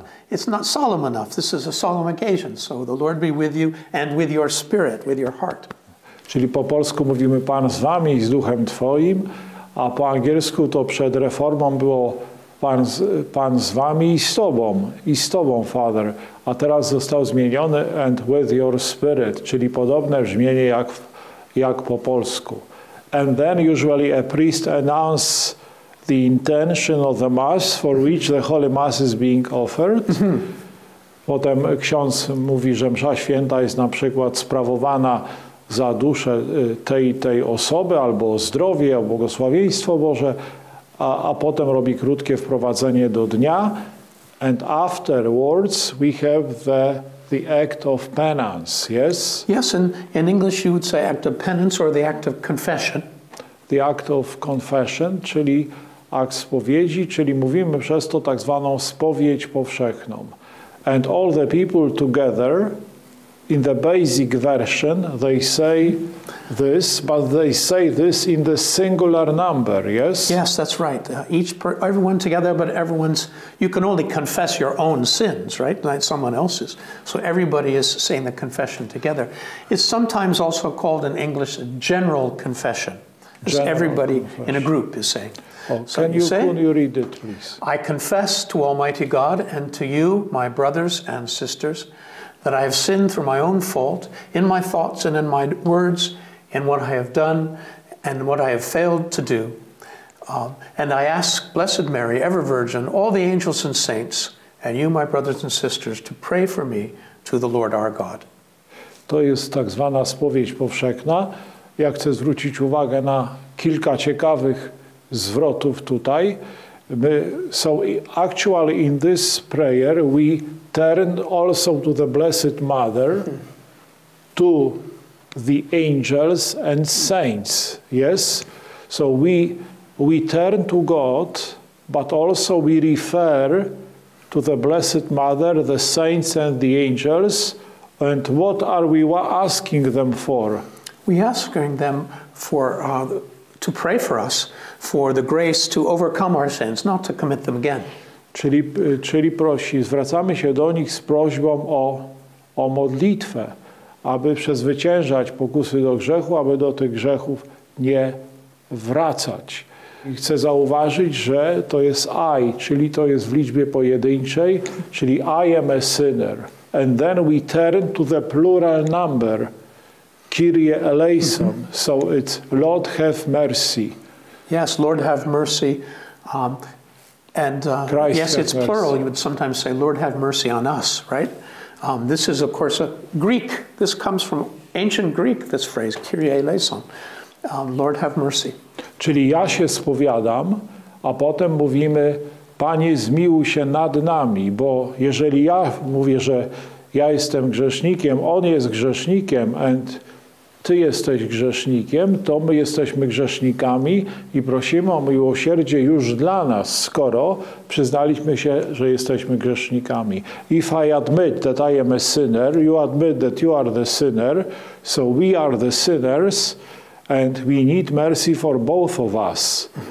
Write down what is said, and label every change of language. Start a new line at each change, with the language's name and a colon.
English: It's not solemn enough. This is a solemn occasion. So the Lord be with you and with your spirit, with your heart.
Polish: Czyli po polsku mówimy Pan z wami i z duchem twoim, a po angielsku to przed reformą było Pan z wami i z tobą, Father. A teraz został zmieniony
English: and with your spirit,
Polish: czyli podobne brzmienie jak po polsku.
English: And then usually a priest announces the intention of the Mass for which the Holy Mass is being offered.
Polish: Potem ksiądz mówi, że msza święta jest na przykład sprawowana za duszę tej osoby, albo o zdrowie, o błogosławieństwo Boże, a potem robi krótkie wprowadzenie do dnia.
English: And afterwards we have the act of penance, yes? Yes, in English you would say act of penance or the act of confession. The act of confession,
Polish: czyli akt spowiedzi, czyli mówimy przez to tak zwaną spowiedź powszechną.
English: And all the people together, in the basic version, they say this, but they say this in the singular number, yes? Yes, that's right. Everyone together, but everyone's, you can only confess your own sins, right? Not someone else's. So everybody is saying the confession together. It's sometimes also called in English a general confession. Everybody confession. In a group is saying. Oh, can you read it, please? I confess to Almighty God and to you, my brothers and sisters, that I have sinned through my own fault, in my thoughts and in my words, in what I have done and what I have failed to do. And I ask Blessed Mary, ever Virgin, all the angels and saints, and you, my brothers and sisters, to pray for me to the Lord our God.
Polish: To jest tak zwana spowiedź powszechna. Ja chcę zwrócić uwagę na kilka ciekawych zwrotów tutaj.
English: So actually in this prayer we turn also to the Blessed Mother, to the angels and saints, yes? So we turn to God, but also we refer to the Blessed Mother, the saints and the angels. And what are we asking them for? We're asking them for to pray for us for the grace to overcome our sins, not to commit them again.
Polish: Czyli prosi, zwracamy się do nich z prośbą o modlitwę, aby przezwyciężać pokusy do grzechu, aby do tych grzechów nie wracać. I chcę zauważyć, że to jest I, czyli to jest w liczbie pojedynczej, czyli
English: I am a sinner. And then we turn to the plural number, Kyrie eleison. Mm-hmm. So it's Lord have mercy. Yes, Lord have mercy. It's mercy. Plural. You would sometimes say, Lord have mercy on us, right? This is, of course, a Greek. This comes from ancient Greek, this phrase, Kyrie eleison. Lord have mercy.
Polish: Czyli ja się spowiadam, a potem mówimy, Panie, zmiłuj się nad nami, bo jeżeli ja mówię, że ja jestem grzesznikiem, on jest grzesznikiem and ty jesteś grzesznikiem, to my jesteśmy grzesznikami i prosimy o miłosierdzie już dla nas, skoro przyznaliśmy się, że jesteśmy grzesznikami.
English: If I admit that I am a sinner, you admit that you are the sinner, so we are the sinners, and we need mercy for both of us.